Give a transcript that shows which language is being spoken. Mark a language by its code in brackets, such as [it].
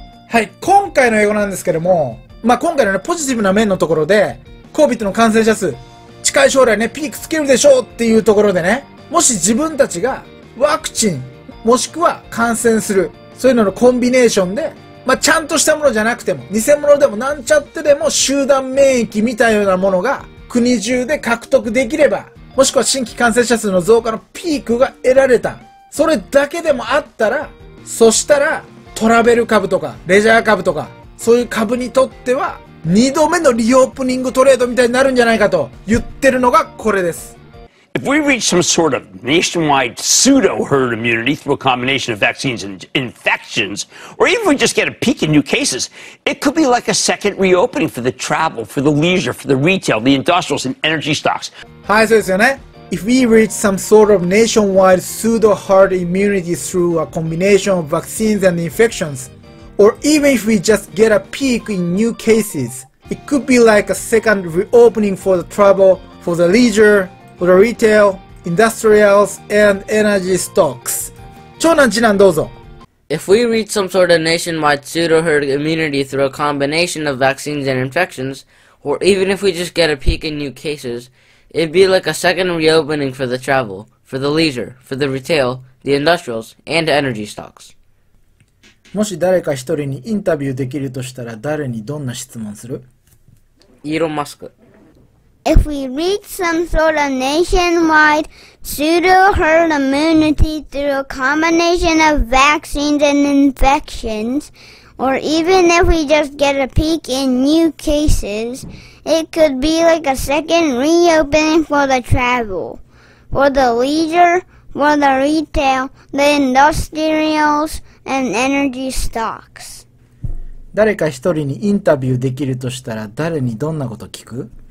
[ja] はい、今回の英語なんですけども、まあ、今回のね、ポジティブな面のところで、COVID の感染者数、近い将来ね、ピークつけるでしょうっていうところでね、もし自分たちがワクチン、もしくは感染する、そういうののコンビネーションで、まあ、ちゃんとしたものじゃなくても、偽物でもなんちゃってでも集団免疫みたいなものが国中で獲得できれば、もしくは新規感染者数の増加のピークが得られた。それだけでもあったら、そしたらトラベル株とかレジャー株とか、そういう株にとっては二度目のリオープニングトレードみたいになるんじゃないかと言ってるのがこれです。 [en] If we reach some sort of nationwide pseudo herd immunity through a combination of vaccines and infections, or even if we just get a peak in new cases, it could be like a second reopening for the travel, for the leisure, for the retail, the industrials, and energy stocks. [ja] はい、そうですよね。 [en] If we reach some sort of nationwide pseudo herd immunity through a combination of vaccines and infections, or even if we just get a peak in new cases, it could be like a second reopening for the travel, for the leisure,For the retail, industrials, and energy stocks. [ja] 長男、次男、どうぞ。 [en] If we reach some sort of nationwide pseudo-herd immunity through a combination of vaccines and infections, or even if we just get a peak in new cases, it'd be like a second reopening for the travel, for the leisure, for the retail, the industrials, and energy stocks. [ja] もし誰か一人にインタビューできるとしたら、誰にどんな質問する？イーロン・マスク。 [en] If we reach some sort of nationwide pseudo herd immunity through a combination of vaccines and infections, or even if we just get a peak in new cases, it could be like a second reopening for the travel, for the leisure, for the retail, the industrials, and energy stocks. [ja] 誰か一人にインタビューできるとしたら誰にどんなこと聞く？